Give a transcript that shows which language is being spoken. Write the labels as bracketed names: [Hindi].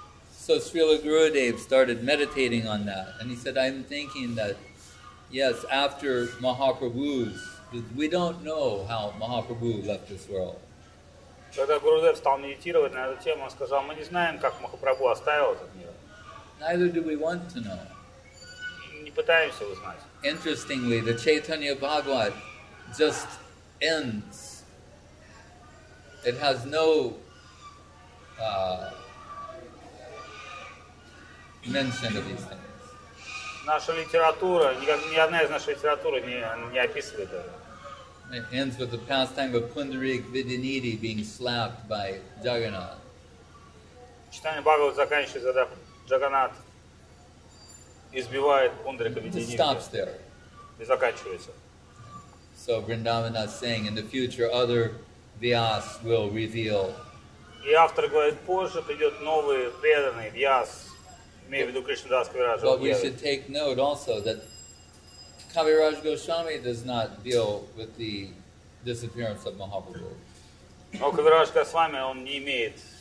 [English] So Srila Gurudev started meditating on that, and he said, I'm thinking that, yes, after Mahaprabhu's, we don't know how Mahaprabhu left this world. [Russian] Когда Гурудев стал медитировать на эту тему, он сказал, мы не знаем, как Махапрабху оставил этот мир. [English] Neither do we want to know. [Russian] Не пытаемся узнать. [English] Interestingly, the Chaitanya Bhagavat just ends. It has no mention of these things. [Russian] Наша литература, ни одна из нашей литературы не описывает это. [English] It ends with the pastime of Pundarik Vidyaniti being slapped by Jagannath. [Russian] Chaitanya Bhagavat заканчивается, да, Джаганат избивает Пундарика Видьяниди. [English] Stops there. [Russian] И заканчивается. [English] So Vrindavana is saying, in the future, other Vyas will reveal. [Russian] И автор говорит, позже придет новый преданный Вьяс, имея в виду Кришна Дас Кавираджа. [English] But we should take note also that Кавирадж Госвами does not deal with the disappearance of Махапрабху. [Russian] Но Кавирадж Госвами, он не имеет...